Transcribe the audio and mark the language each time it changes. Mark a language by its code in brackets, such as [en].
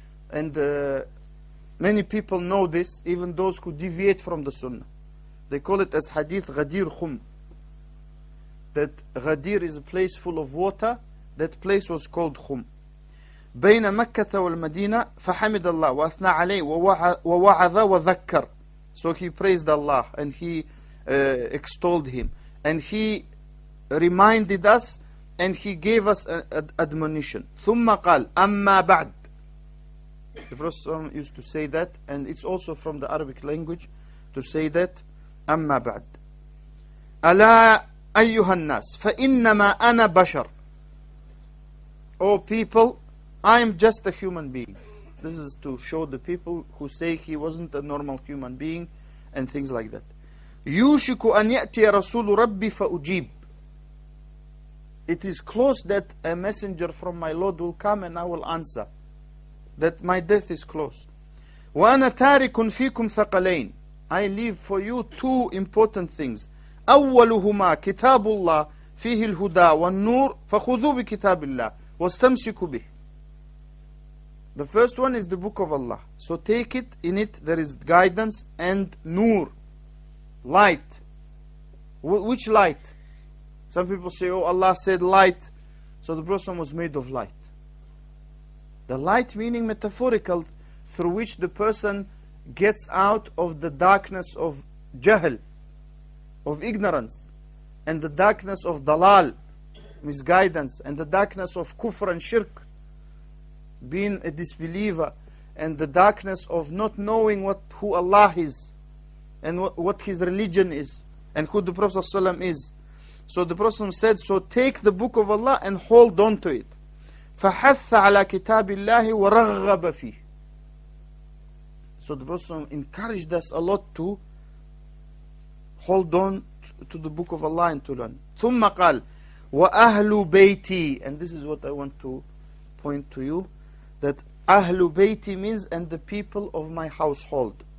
[en] And many people know this, even those who deviate from the Sunnah. They call it as hadith Ghadir Khum. That Ghadir is a place full of water, that place was called Khum. [ar] بين مكة والمدينة فحمد الله وأثنى عليه ووعظ وذكر. [en] So he praised Allah and he extolled him. And he reminded us and he gave us an admonition. [ar] ثم قال أما بعد. [en] The Prophet used to say that, and it's also from the Arabic language to say that. [ar] أما بعد. ألا أيها الناس فإنما أنا بشر. [en] Oh people, I am just a human being. This is to show the people who say he wasn't a normal human being and things like that. [ar] يوشك أن يأتي رسول ربي فأجيب. [en] It is close that a messenger from my Lord will come and I will answer. That my death is close. [ar] وأنا تارك فيكم ثقلين. [en] I leave for you two important things. [ar] أولهما كتاب الله فيه الهدى والنور فخذوا بكتاب الله واستمسكوا به. [en] The first one is the book of Allah. So take it, in it there is guidance and nur, light. Which light? Some people say, oh, Allah said light. So the Prophet was made of light. The light meaning metaphorical, through which the person gets out of the darkness of jahl, of ignorance, and the darkness of dalal, misguidance, and the darkness of kufr and shirk, being a disbeliever, and the darkness of not knowing what who Allah is, and what his religion is, and who the Prophet ﷺ is. So the Prophet said, so take the book of Allah and hold on to it. [ar] فحث على كتاب الله ورغب فيه. [en] So the Prophet ﷺ encouraged us a lot to hold on to the book of Allah and to learn. [ar] ثم قال وأهل بيتي. [en] And this is what I want to point to you. That [ar] أهل بيتي [en] means and the people of my household.